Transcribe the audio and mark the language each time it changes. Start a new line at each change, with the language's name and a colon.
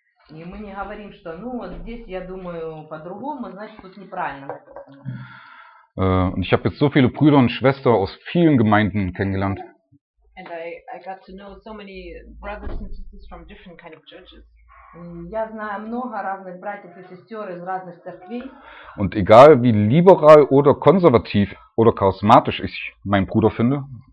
Russian: И мы не говорим, что, ну, вот здесь я думаю по-другому, значит, тут неправильно.
German: Und ich habe jetzt so viele Brüder und Schwestern aus vielen Gemeinden kennengelernt.
English: And I got to know so many brothers and sisters from different kind of churches.
Russian: Я знаю много разных братьев и сестер из разных церквей.
German: Und egal wie liberal oder konservativ oder charismatisch ich meinen Bruder finde.